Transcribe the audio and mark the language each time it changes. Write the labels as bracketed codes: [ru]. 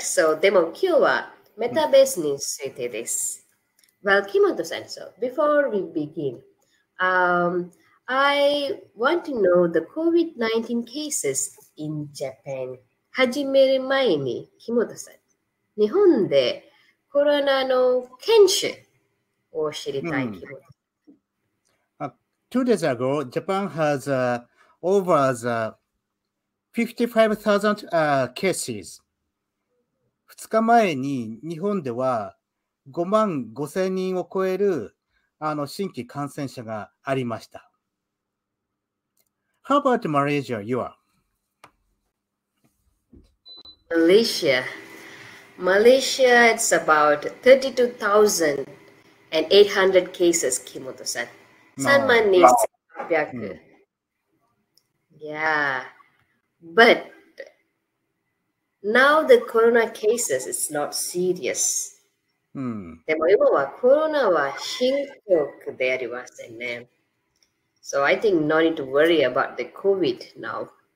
[ja] So, でも今日はメタバースについてです。 [en] Well, Kimoto-san, so before we begin, I want to know the COVID-19 cases in Japan. [ja] 始める前に、Kimoto-san, 日本でコロナの検証を知りたい、Kimoto-san. [en] 2 days ago, Japan has over 55,000 cases. [ja] 2日前に日本では5万5000人を超える新規感染者がありました。 [en] How about Malaysia, you are? Malaysia. Malaysia, it's about 32,800 cases, Kimoto-san. Yeah, but now the corona cases is not serious. [ja] でも今はコロナは深刻でありませんね。 [en] So I think no need to worry about the COVID now.